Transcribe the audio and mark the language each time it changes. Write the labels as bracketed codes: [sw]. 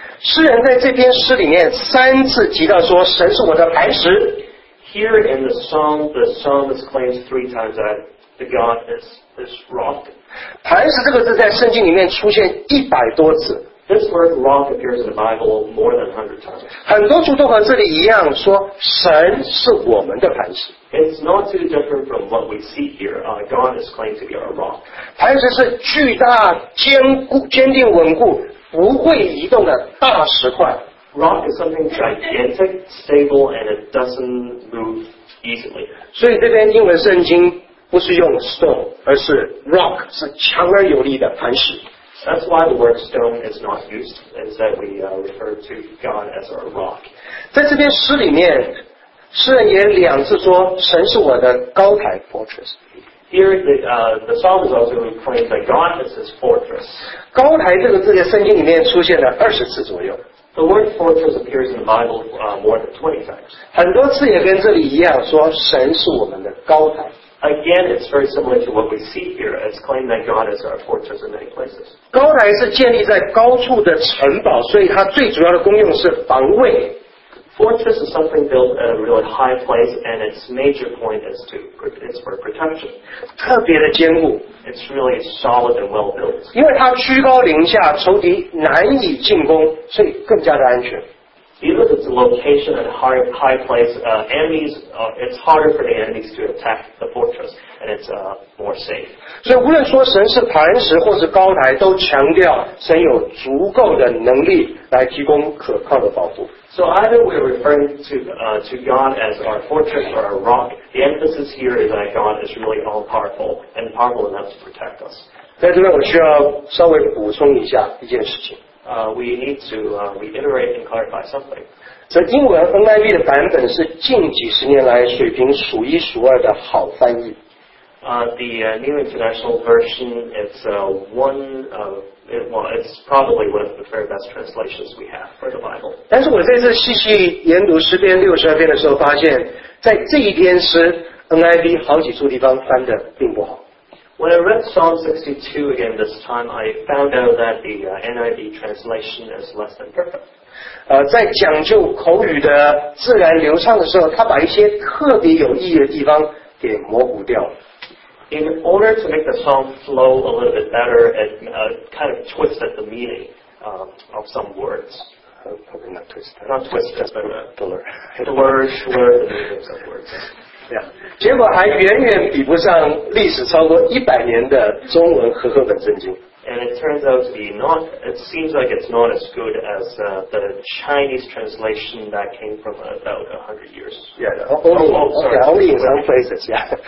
[zh] 诗人在这篇诗里面三次提到说神是我的磐石。 [en] Here in the psalm, the psalmist claims three times that the God is this rock. [zh] 磐石这个字在圣经里面出现一百多次。 [en] This word rock appears in the Bible more than 100 times. [zh] 很多处都和这里一样说神是我们的磐石。 [en] It's not too different from what we see here. God is claimed to be our rock. [zh] 磐石是巨大、坚定、稳固、不会移动的大石块。 [en] Rock is something gigantic, stable, and it doesn't move easily. [zh] 所以这边英文圣经不是用 stone, 而是 rock, 是强而有力的磐石。 [en] That's why the word stone is not used, is that we refer to God as our rock. [zh] 在这篇诗里面，诗人也两次说神是我的高台 fortress. [en] Here the psalm is also claimed that God is his fortress. [zh] 高台这个字在圣经里面出现了20次左右。 [en] The word fortress appears in the Bible more than 20 times. [zh] 很多次也跟这里一样说神是我们的高台。 [en] Again, it's very similar to what we see here. It's claimed that God is our fortress in many places. [zh] 高台是建立在高处的城堡，所以它最主要的功用是防卫。 [en] Fortress is something built at a really high place, and its major point is it's for protection. [zh] 特别的坚固。 [en] It's really solid and well built. [zh] 因为它居高临下，仇敌难以进攻，所以更加的安全。 [en] Even if it's a location at a high place, it's harder for the enemies to attack the fortress, and it's more safe. [zh] 所以无论说神是磐石或是高台，都强调神有足够的能力来提供可靠的保护。 [en] So either we're referring to God as our fortress or our rock, the emphasis here is that God is really all-powerful and powerful enough to protect us. [zh] 在这边我需要稍微补充一下一件事情。 [en] We need to reiterate and clarify something. [zh] 这英文 NIV 的版本是近几十年来水平数一数二的好翻译。 [en] The New International Version is one of it's probably one of the very best translations we have for the Bible. [zh] 但是我在这细细研读诗篇六十二篇的时候，发现在这一篇诗 NIV 好几处地方翻的并不好。 [en] When I read Psalm 62 again this time, I found out that the NIV translation is less than perfect. [zh] 在讲究口语的自然流畅的时候，他把一些特别有意义的地方给模糊掉了。 [en] In order to make the song flow a little bit better, it kind of twisted the meaning of some words. Probably not twisted. Not twisted, just but blur. The words were the meanings of words. Yeah. [zh] 结果还远远比不上历史超过100年的中文和合本圣经。 [en] And it turns out to be not, it seems like it's not as good as the Chinese translation that came from about 100 years. Yeah, only in some places, yeah.